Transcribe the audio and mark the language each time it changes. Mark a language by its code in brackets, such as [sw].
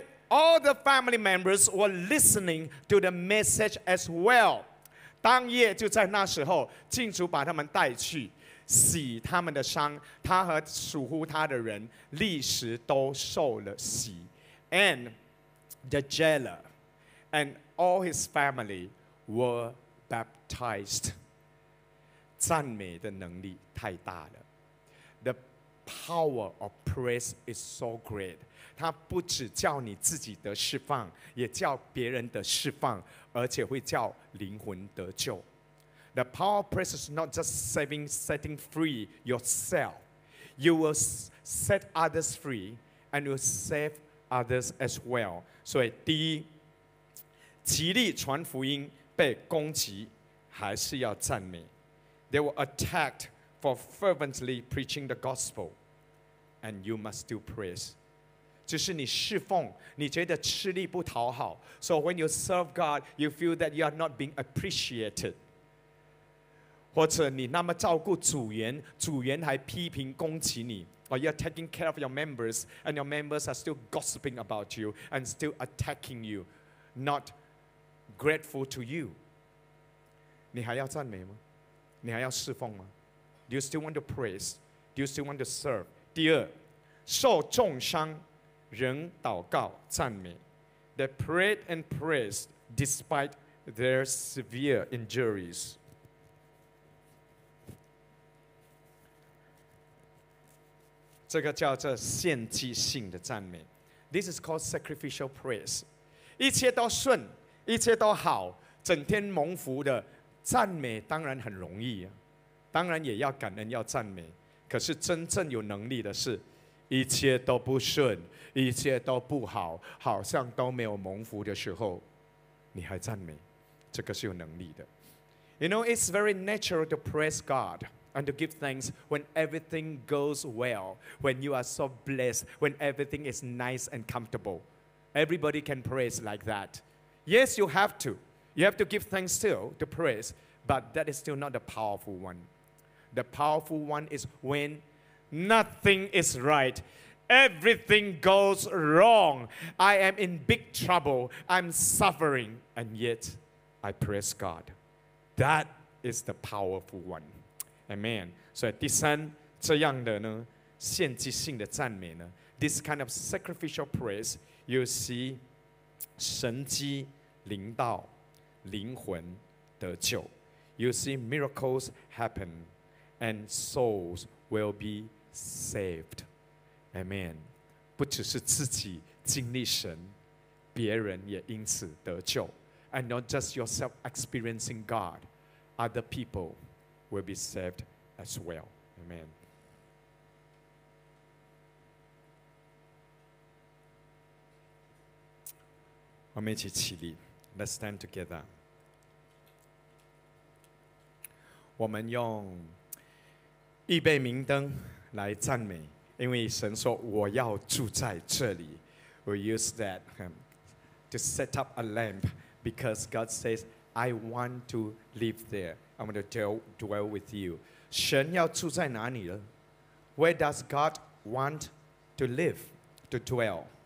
[en] All the family members were listening to the message as well. [zh] 当夜就在那时候，进主把他们带去。洗他们的伤，他和属乎他的人立时都受了洗。 [en] And the jailer and all his family were baptized. [zh] 赞美的能力太大了。 [en] The power of praise is so great. [zh] 他不只叫你自己得释放，也叫别人得释放，而且会叫灵魂得救。 [en] The power of praise is not just saving, setting free yourself. You will set others free and you will save others as well. [zh] 所以第一，极力传福音被攻击，还是要赞美。 [en] They were attacked for fervently preaching the gospel and you must still praise. [zh] 就是你侍奉，你觉得吃力不讨好。 [en] So when you serve God, you feel that you are not being appreciated. [zh] 或者你那么照顾组员，组员还批评攻击你。 [en] Or you're taking care of your members and your members are still gossiping about you and still attacking you, not grateful to you. [zh] 你还要赞美吗？你还要侍奉吗？ [en] Do you still want to praise? Do you still want to serve? [zh] 第二，受重伤仍祷告赞美。 [en] They prayed and praised despite their severe injuries. [zh] 这个叫做献祭性的赞美。 [en] This is called sacrificial praise. [zh] 一切都顺，一切都好，整天蒙福的赞美当然很容易、啊、当然也要感恩要赞美，可是真正有能力的是一切都不顺，一切都不好，好像都没有蒙福的时候你还赞美，这个是有能力的。 [en] You know, it's very natural to praise God and to give thanks when everything goes well, when you are so blessed, when everything is nice and comfortable. Everybody can praise like that. Yes, you have to. You have to give thanks still to praise, but that is still not the powerful one. The powerful one is when nothing is right. Everything goes wrong. I am in big trouble. I'm suffering. And yet, I praise God. That is the powerful one. Amen. [zh] 所以第三，这样的呢，献祭性的赞美呢， [en] this kind of sacrificial praise, you see, [zh] 神迹临到，灵魂得救。 [en] You see, miracles happen, and souls will be saved. Amen. [zh] 不只是自己经历神，别人也因此得救。 [en] And not just yourself experiencing God, other people will be saved as well. Amen. Let's stand together. [zh] 我们用预备明灯来赞美，因为神说我要住在这里。 [en] We use that to set up a lamp because God says, I want to live there. I'm going to dwell with you. [zh] 神要住在哪里呢？ [en] Where does God want to live, to dwell?